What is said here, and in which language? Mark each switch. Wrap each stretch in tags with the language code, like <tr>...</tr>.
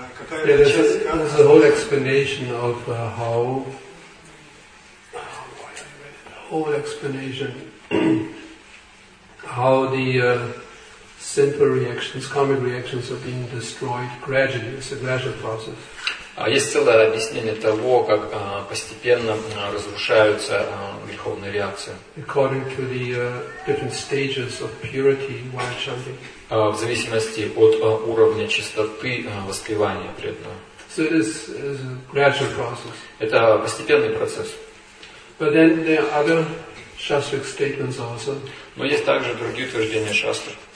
<en>There's a whole explanation of how the simple reactions, karmic reactions, are being destroyed gradually. It's a gradual process.</en> <ru>Есть целое объяснение того, как постепенно разрушаются греховные реакции.</ru> <en>According to the different stages of purity while chanting.</en> <ru>В зависимости от уровня чистоты воспевания преданного.</ru> <en>So it is a gradual process.</en> <ru>Это постепенный процесс.</ru> <en>But then there are other shastric statements also.</en> <ru>Но есть также другие утверждения шастр.</ru>